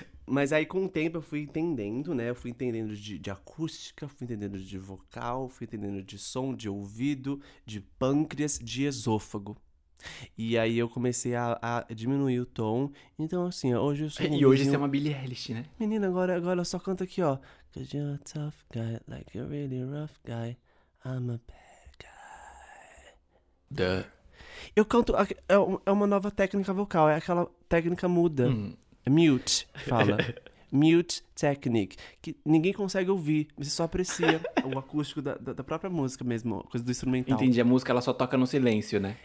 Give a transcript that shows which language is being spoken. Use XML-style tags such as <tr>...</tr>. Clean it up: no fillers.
<pt>Mas aí, com o tempo, eu fui entendendo, né? Eu fui entendendo de acústica, fui entendendo de vocal, fui entendendo de som, de ouvido, de pâncreas, de esôfago. E aí eu comecei a diminuir o tom. Então, assim, hoje eu sou um E hoje você é vizinho. uma Billie Eilish, né? Menina, agora eu só canto aqui, ó.</pt> <en>'Cause you're a tough guy, like a really rough guy. I'm a bad Duh.</en> <pt>Eu canto. É uma nova técnica vocal, é aquela técnica muda. Mute, fala. Mute technique. Que ninguém consegue ouvir, você só aprecia o acústico da própria música mesmo, coisa do instrumental. Entendi, a música ela só toca no silêncio, né?</pt>